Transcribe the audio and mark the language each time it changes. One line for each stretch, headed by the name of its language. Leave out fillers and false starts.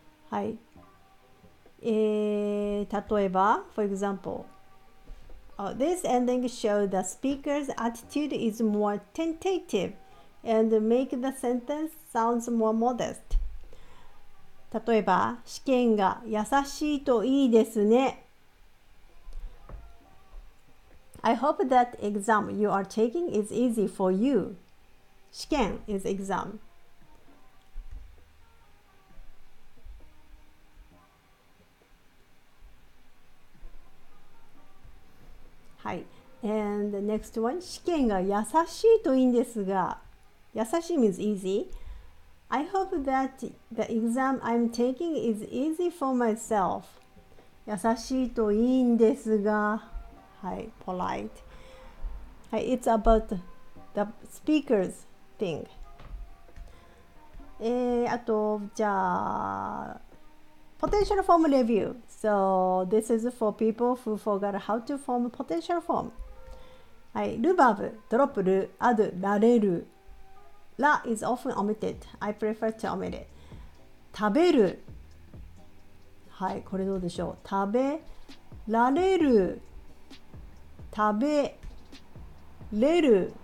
Japanese: はい。
English: 例えば for example、this ending shows the speaker's attitude is more tentative and make the sentence sounds more modest.
Japanese: 例えば試験が優しいといいですね。
English: I hope that exam you are taking is easy for you. 試験 is exam.
Japanese: はい、
English: and next one
Japanese: 試験が優しいといいんですが、優しい
English: means easy. I hope that the exam I'm taking is easy for myself.
Japanese: 優しいといいんですが、はい、polite.
English: はい、it's about the speaker's thing.
Japanese: あとじゃあ。
English: Potential form review. So this is for people who forgot how to form a potential form. はい、ルバーブ、ドロップル、アド、ラレル。ラ is often omitted. I prefer to omit it. 食べる。
Japanese: はい、これどうでしょう。食べられる。食べれる。